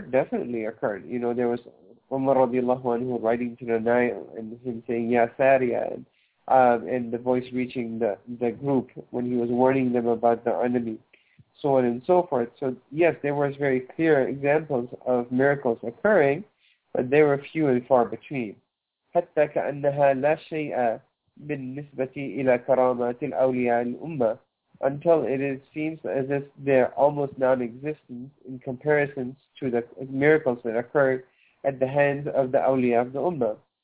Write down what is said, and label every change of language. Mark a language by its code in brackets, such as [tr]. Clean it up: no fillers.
[en] Definitely occurred. You know, there was Umar radiallahu anhu writing to the Nile and him saying, Ya Saria, and the voice reaching the group when he was warning them about the enemy, so on and so forth. So yes, there was very clear examples of miracles occurring, but they were few and far between. [ar] حتى كأنها لا شيء بالنسبة إلى كرامات الأولياء الأمة. [en] Until it is, seems as if they're almost non-existent in comparison to the miracles that occurred at the hands of the awliya of the ummah.